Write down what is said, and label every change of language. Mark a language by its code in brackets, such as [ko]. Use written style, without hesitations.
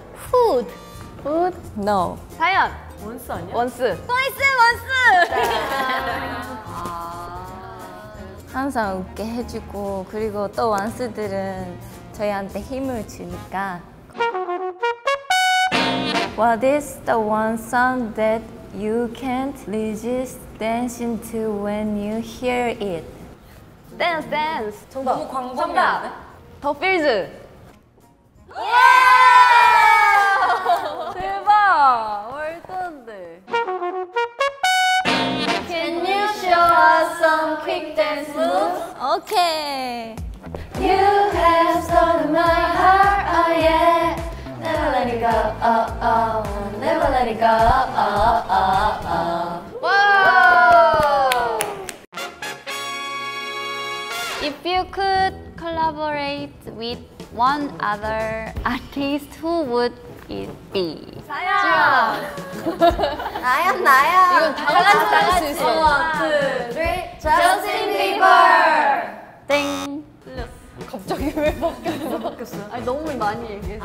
[en] 훗. 훗? No. [ko] 다현. 원스 아니야? 원스. 트와이스 원스! 항상 웃게 해주고 그리고 또 원스들은 저희한테 힘을 주니까. [en] What is the one song that you can't resist dancing to when you hear it? Dance, dance. [ko] 정답. 너무 광범위한데? 더 필즈. 예! 대박! 월드인데. [en] Can you show us some quick dance moves? Okay. You have stolen my heart, oh yeah. Never let it go, oh oh. Never let it go, oh oh oh. 와우! If you could collaborate with one other artist, who would it be? [ko] 나연! 나연, 나연! 이건 다 같이 따라 할 수 있어. 하나, 둘, 셋! Justin Bieber! 땡! 틀렸어. 갑자기 왜 바뀌었어? 왜 바뀌었어? 아니, 너무 많이 얘기했어.